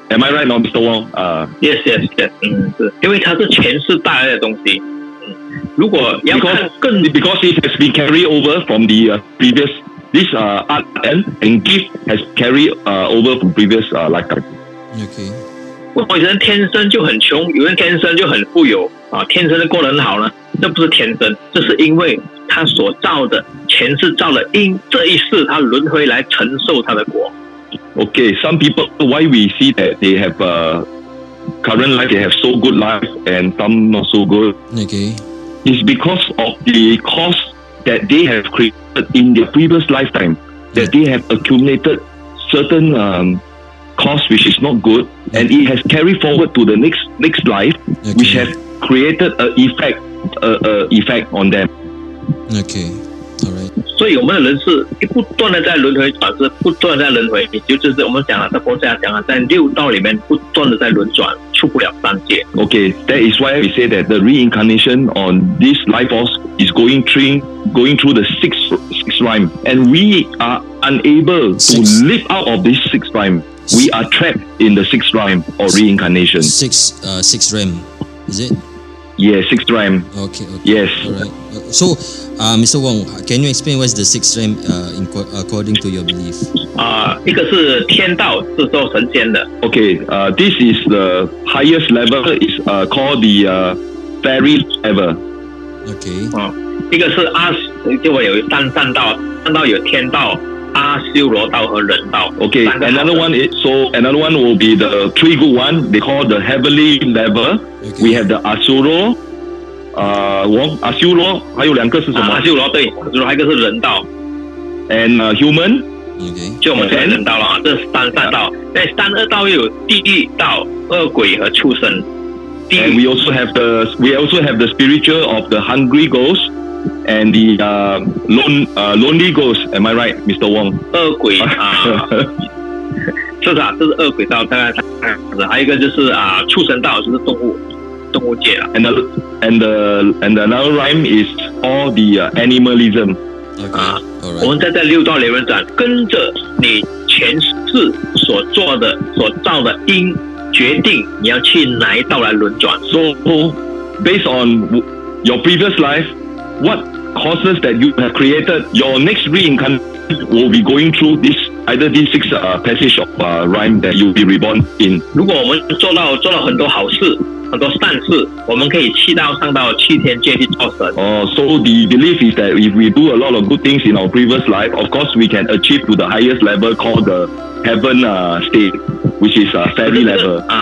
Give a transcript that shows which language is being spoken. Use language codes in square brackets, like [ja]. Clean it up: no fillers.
[en] Am I right, Mr. Wong? Yes. [zh] 因为它是前世带来的东西。如果要看更 [en] because it has been carried over from the previous this art and gift has carried over from previous lifetime. Okay. [zh] 为什么有人天生就很穷，有人天生就很富有啊？天生的过得很好呢？这不是天生，这是因为他所造的前世造了因，这一世他轮回来承受他的果。 [en] Okay, some people why we see that they have current life, they have so good life, and some not so good. Okay. It's because of the cause that they have created in their previous lifetime, that they have accumulated certain cause which is not good, and it has carried forward to the next life, okay, which has created an effect on them. Okay, all right. [zh] 所以我们的人是一不断的在轮回转世，不断的在轮回，也就是我们讲了，在佛家讲了，在六道里面不断的在轮转。出不了三界。 [en] Okay, that is why we say that the reincarnation on this life force is going through the six rhyme, and we are unable to leap out of this six rhyme. We are trapped in the six rhyme or reincarnation. Six rhyme, is it? Yeah, six rhyme. Okay. Yes. All right. So, Mr. Wong, can you explain what is the six rhyme according to your belief? [zh] 一个是天道，是做神仙的。 [en] Okay, this is the highest level, is called the fairy level. Okay. [zh] 一个是阿，就会有三道，三道有天道、阿修罗道和人道。 [en] Okay, another one will be the three good one, they call the heavenly level. Okay. We have the Asuro, [zh] 阿修罗，还有两个是什么？阿修罗，对，阿修罗，还有一个是人道。 [en] And human. Okay. [zh] 就我们现在人道了，这是三道。那三恶道又有地狱道、恶鬼和畜生。 [en] And we also have the spiritual of the hungry ghost and the lonely ghost. Am I right, Mr. Wong? [zh] 恶鬼啊，是的，这是恶鬼道，大概是这样子。还有一个就是畜生道，就是动物界了。 [en] And another rhyme is all the animalism. Okay, right. [zh] 我们在六道里面转，跟着你前世所做的、所造的因，决定你要去哪一道来轮转。 [en] So, based on your previous life, what causes that you have created, your next reincarnation will be going through this either these six passage of rhyme that you'll be reborn in. [zh] 如果我们做到很多好事，很多善事，我们可以七道上到七天界去做神。 [en] So the belief is that if we do a lot of good things in our previous life, of course we can achieve to the highest level called the heaven state, which is a fairy level.